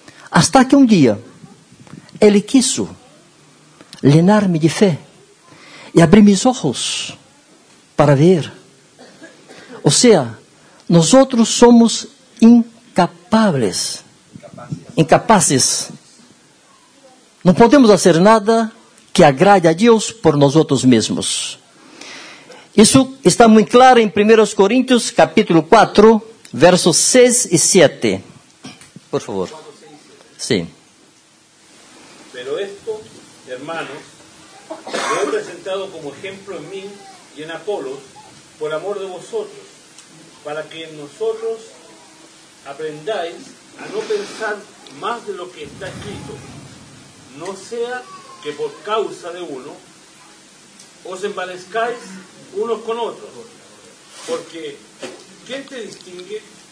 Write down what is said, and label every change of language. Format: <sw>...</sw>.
<es>Hasta que un día, Él quiso llenarme de fe y abrir mis ojos para ver. O sea, nosotros somos incapaces. No podemos hacer nada que agrade a Dios por nosotros mismos.</es> <pt>Isso está muito claro em 1 Coríntios, capítulo 4, versos 6 e 7. Por favor. Sim.</pt> <es>Pero esto, hermanos, lo he presentado como ejemplo en mí y en Apolos, por amor de vosotros, para que en nosotros aprendáis a no pensar más de lo que está escrito, no sea que por causa de uno os envalezcáis unos con otros, porque ¿quién te distingue?</es>